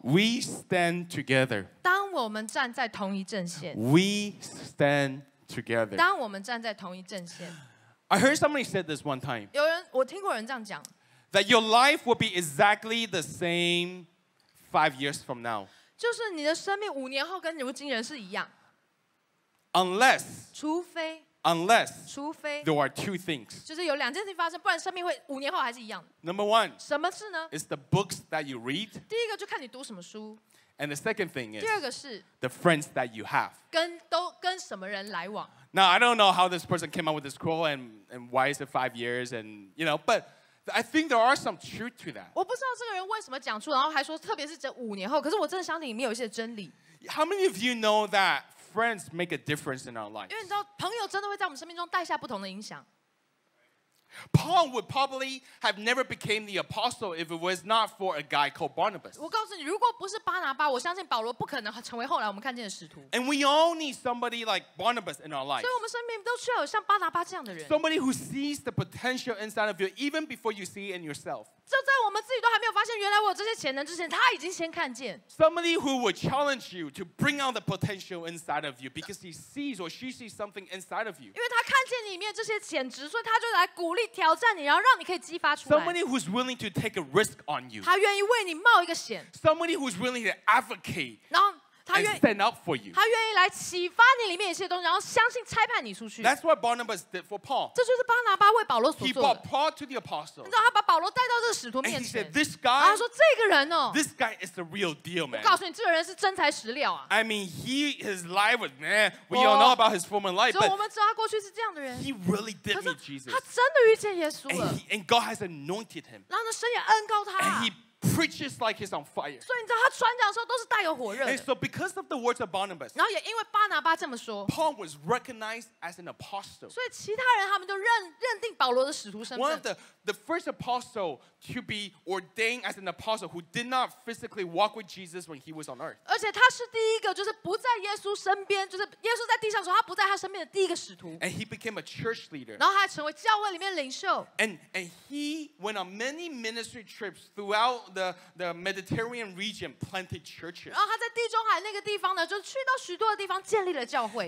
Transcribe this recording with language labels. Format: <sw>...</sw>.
<en>We stand together.</en> <zh>当我们站在同一阵线</zh> <en>We stand together.</en> <zh>当我们站在同一阵线</zh> <en>I heard somebody said this one time.</en> <zh>有人我听过人这样讲</zh> <en>That your life will be exactly the same 5 years from now.</en> <zh>就是你的生命五年后跟如今人是一样</zh> <en>Unless</en> <zh>除非</zh> <en>Unless</en> <zh>除非</zh> <en>There are two things</en> <zh>就是有两件事情发生不然生命会五年后还是一样</zh> <en>Number one</en> <zh>什么事呢</zh> <en>It's the books that you read</en> <zh>第一个就看你读什么书</zh> <en>And the second thing is</en> <zh>第二个是</zh> <en>The friends that you have</en> <zh>跟什么人来往</zh> <en>Now I don't know how this person came up with this quote and why is it 5 years and you know butI think there are some truth to that.</en> <zh>我不知道这个人为什么讲出，然后还说，特别是这五年后。可是我真的相信里面有一些真理。</zh> <en>How many of you know that friends make a difference in our life?</en> <zh>因为你知道，朋友真的会在我们生命中带下不同的影响。</zh> <en>Paul would probably have never became the apostle if it was not for a guy called Barnabas.</en> <zh>我告诉你，如果不是巴拿巴，我相信保罗不可能成为后来我们看见的使徒。</zh> <en>And we all need somebody like Barnabas in our life.</en> <zh>所以我们生命都需要有像巴拿巴这样的人。</zh> <en>Somebody who sees the potential inside of you even before you see it in yourself.</en> <zh>就在我们自己都还没有发现原来我有这些潜能之前，他已经先看见。</zh> <en>Somebody who would challenge you to bring out the potential inside of you because he sees or she sees something inside of you.</en> <zh>因为他看见里面这些潜质，所以他就来鼓励。挑战你，然后让你可以激发出来。</zh> <en>Somebody who's willing to take a risk on you.</en> <zh>他愿意为你冒一个险。</zh> <en>Somebody who's willing to advocate.</en> <zh>然后他愿意</zh> <en>stand up for you.</en> <zh>他愿意来启发你里面一些东西，然后相信差派你出去。</zh> <en>That's what Barnabas did for Paul.</en> <zh>这就是巴拿巴为保罗所做的。</zh> <en>He brought Paul to the apostles.</en> <zh>你知道他把保罗带到这个使徒面前。</zh> <en>And he said, "This guy."</en> <zh>他说这个人哦。</zh> <en>This guy is the real deal, man.</en> <zh>我告诉你，这个人是真材实料啊。</zh> <en>I mean, his life was man. We all know about his former life, but</en> <zh>我们知道他过去是这样的人。</zh> <en>He really did meet Jesus.</en> <zh>他真的遇见耶稣了。</zh> <en>And God has anointed him.</en> <zh>然后呢，神也恩膏他。</zh> <en>Preaches like he's on fire.</en> <zh>所以你知道他传讲的时候都是带有火热的。</zh> <en>And so because of the words of Barnabas,</en> <zh>然后也因为巴拿巴这么说</zh> <en>，Paul was recognized as an apostle.</en> <zh>所以其他人他们就认定保罗的使徒身份。</zh> <en>One of the first apostle to be ordained as an apostle who did not physically walk with Jesus when he was on earth.</en> <zh>而且他是第一个，就是不在耶稣身边，就是耶稣在地上的时候，他不在他身边的第一个使徒。</zh> <en>And he became a church leader.</en> <zh>然后他还成为教会里面领袖。</zh> <en>And he went on many ministry trips throughout the Mediterranean region planted churches.</en> <zh>然后他在地中海那个地方呢，就去到许多的地方建立了教会。</zh>